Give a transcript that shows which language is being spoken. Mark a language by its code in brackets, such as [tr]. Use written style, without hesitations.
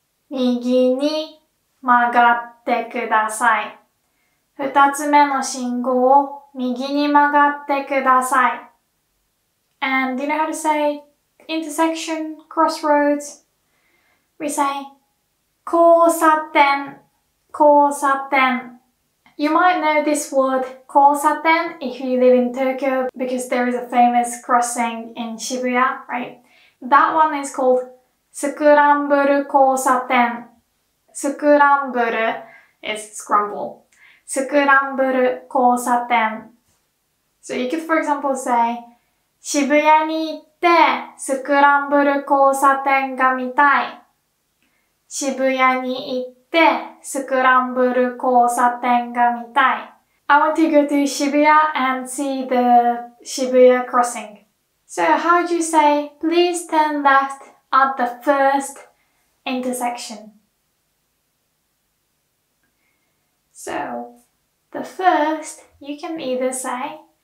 [ja] 右に曲がってください。二つ目の信号を右に曲がってください。 [en] And do you know how to say intersection, crossroads? We say [ja] 交差点、交差点。 [en] You might know this word, 交差点, if you live in Tokyo, because there is a famous crossing in Shibuya, right? That one is called [ja] Scramble 交差点. [en] Scramble is scramble. [ja] Scramble 交差点. [en] So you could, for example, say [ja] 渋谷に行って Scramble 交差点が見たい。渋谷に行ってで、スクランブル交差点が見たい。 [en] I want to go to Shibuya and see the Shibuya crossing. So how would you say, please turn left at the first intersection? So, the first, you can either say,